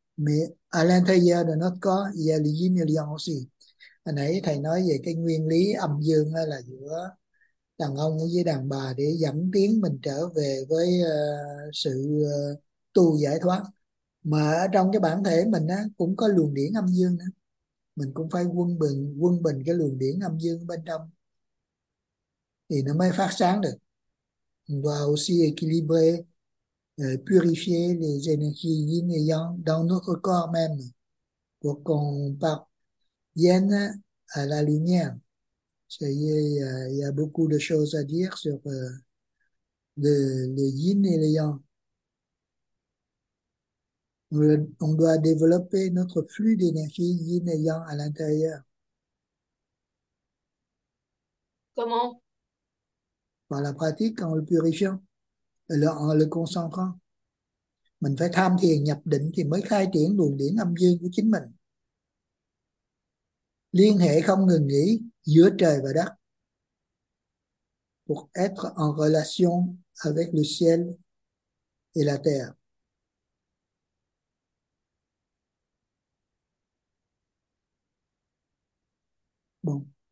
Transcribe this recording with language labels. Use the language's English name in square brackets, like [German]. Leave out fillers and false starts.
[French] Mais à l'intérieur de notre corps, il y a le yin et le yang aussi. [Vietnamese] Hồi nãy thầy nói về cái nguyên lý âm dương là giữa đàn ông với đàn bà để dẫn tiến mình trở về với sự tu giải thoát. Mà ở trong cái bản thể mình á, cũng có luồng điển âm dương nữa. Mình cũng phải quân bình cái luồng điển âm dương bên trong thì nó mới phát sáng được và [French] aussi équilibrer purifier les énergies yin et yang dans notre corps même pour qu'on parvienne à la lumière. Il y a beaucoup de choses à dire sur le yin et le yang. On doit développer notre flux d'énergie yin et yang à l'intérieur. Comment? Par la pratique, en le purifiant, en le concentrant. [Vietnamese] Mình phải tham thiền nhập định thì mới khai triển luồng điển âm dương của chính mình. Liên hệ không ngừng nghỉ giữa trời và đất. [French] Pour être en relation avec le ciel et la terre. Bon.